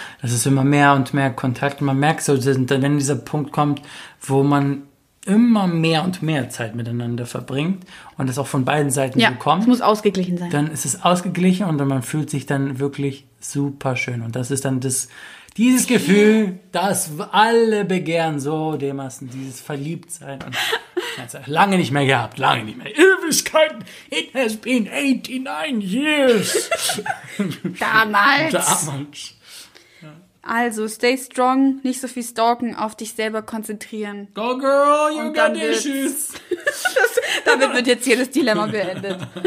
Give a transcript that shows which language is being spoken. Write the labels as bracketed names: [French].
[German] Das ist immer mehr und mehr Kontakt. Man merkt so, wenn dieser Punkt kommt, wo man immer mehr und mehr Zeit miteinander verbringt und das auch von beiden Seiten bekommt. Ja, es muss ausgeglichen sein. Dann ist es ausgeglichen und man fühlt sich dann wirklich super schön. Und das ist dann das, dieses Gefühl, das alle begehren, so dermaßen, dieses Verliebtsein. Und lange nicht mehr gehabt, lange nicht mehr. Ewigkeiten, [English] it has been 89 years. [German] Damals. Damals. Also, [English] stay strong, [German] nicht so viel stalken, auf dich selber konzentrieren. [English] Go, girl, you got issues. [German] Damit wird jetzt hier das Dilemma beendet.